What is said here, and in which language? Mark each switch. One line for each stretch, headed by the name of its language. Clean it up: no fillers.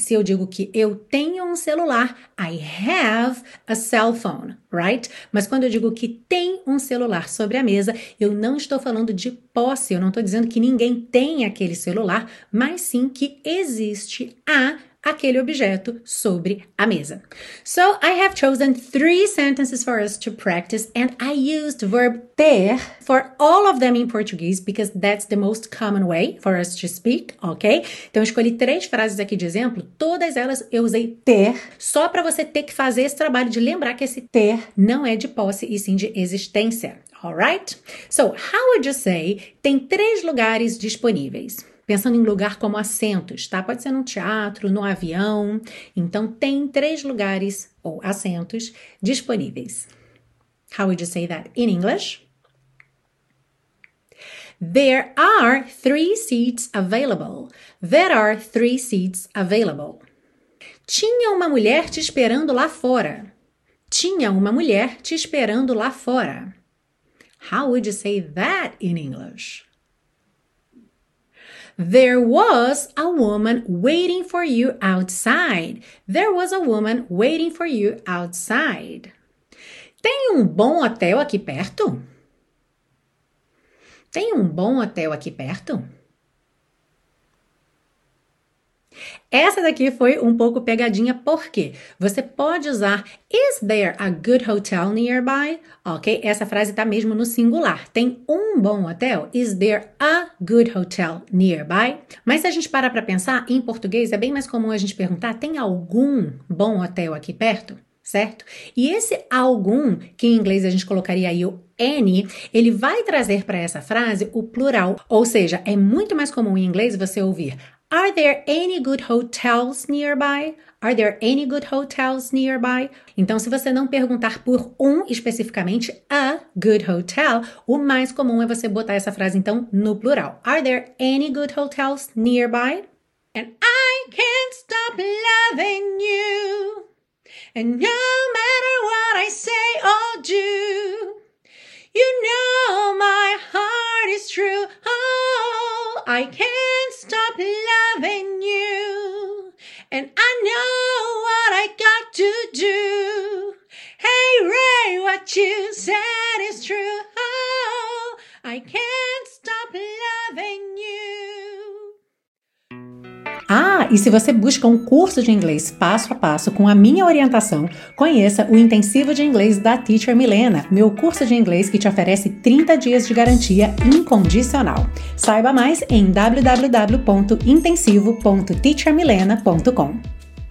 Portuguese: Se eu digo que eu tenho um celular,
English: I have a cell phone, right?
Portuguese: Mas quando eu digo que tem um celular sobre a mesa, eu não estou falando de posse, eu não estou dizendo que ninguém tem aquele celular, mas sim que existe a aquele objeto sobre a mesa.
English: So, I have chosen 3 sentences for us to practice, and I used verb ter for all of them in Portuguese, because that's the most common way for us to speak, ok?
Portuguese: Então, eu escolhi 3 frases aqui de exemplo, todas elas eu usei ter, só para você ter que fazer esse trabalho de lembrar que esse ter não é de posse e sim de existência, alright?
English: So, how would you say,
Portuguese: tem 3 lugares disponíveis? Pensando em lugar como assentos, tá? Pode ser num teatro, no avião. Então, tem 3 lugares ou assentos disponíveis.
English: How would you say that in English? There are 3 seats available. There are 3 seats available.
Portuguese: Tinha uma mulher te esperando lá fora. Tinha uma mulher te esperando lá fora.
English: How would you say that in English? There was a woman waiting for you outside. There was a woman waiting for you outside.
Portuguese: Tem um bom hotel aqui perto? Tem um bom hotel aqui perto? Essa daqui foi um pouco pegadinha, por quê? Você pode usar,
English: is there a good hotel nearby?
Portuguese: Ok? Essa frase está mesmo no singular. Tem um bom hotel?
English: Is there a good hotel nearby?
Portuguese: Mas se a gente parar para pensar, em português é bem mais comum a gente perguntar, tem algum bom hotel aqui perto? Certo? E esse algum, que em inglês a gente colocaria aí o any, ele vai trazer para essa frase o plural. Ou seja, é muito mais comum em inglês você ouvir,
English: are there any good hotels nearby? Are there any good hotels nearby? Então, se você não perguntar por um especificamente, a good hotel, o mais comum é você botar essa frase, então, no plural. Are there any good hotels nearby? And I can't stop loving you. And no matter what I say or do, you know my heart is true. Oh, I can't stop loving you. And I know what I got to do. Hey Ray, what you said is true. Oh, I can't stop loving you.
Portuguese: Ah, e se você busca um curso de inglês passo a passo com a minha orientação, conheça o Intensivo de Inglês da Teacher Milena, meu curso de inglês que te oferece 30 dias de garantia incondicional. Saiba mais em www.intensivo.teachermilena.com.